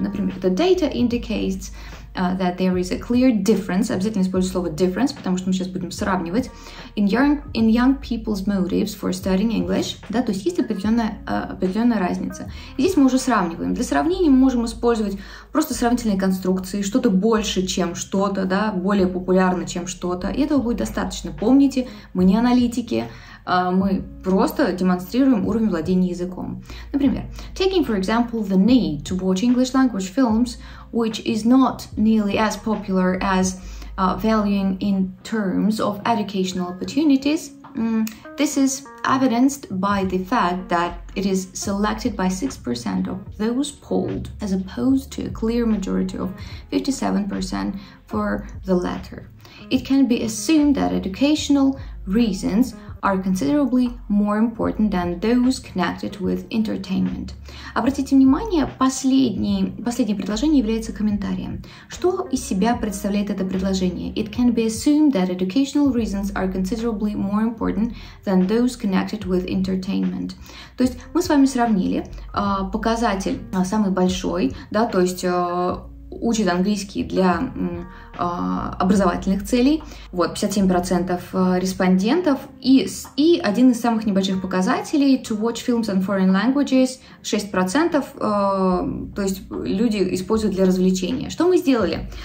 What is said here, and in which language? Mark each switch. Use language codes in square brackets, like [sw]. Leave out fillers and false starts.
[ru] Например, [en] the data indicates that there is a clear difference, [ru] обязательно используй слово difference, потому что мы сейчас будем сравнивать, [en] in young people's motives for studying English, [ru] да, то есть определенная разница. И здесь мы уже сравниваем. Для сравнения мы можем использовать просто сравнительные конструкции, что-то больше, чем что-то, да, более популярно, чем что-то, и этого будет достаточно. Помните, мы не аналитики, мы просто демонстрируем уровень владения языком. Например, [en] taking, for example, the need to watch English language films, which is not nearly as popular as valuing in terms of educational opportunities. This is evidenced by the fact that it is selected by 6% of those polled, as opposed to a clear majority of 57% for the latter. It can be assumed that educational reasons are considerably more important than those connected with entertainment. [ru] Обратите внимание, последнее предложение является комментарием. Что из себя представляет это предложение? [en] It can be assumed that educational reasons are considerably more important than those connected with entertainment. [ru] То есть мы с вами сравнили показатель самый большой, да, то есть учит английский для образовательных целей, вот, 57% респондентов, и один из самых небольших показателей, [en] to watch films on foreign languages, [ru] 6%, то есть люди используют для развлечения. Что мы сделали?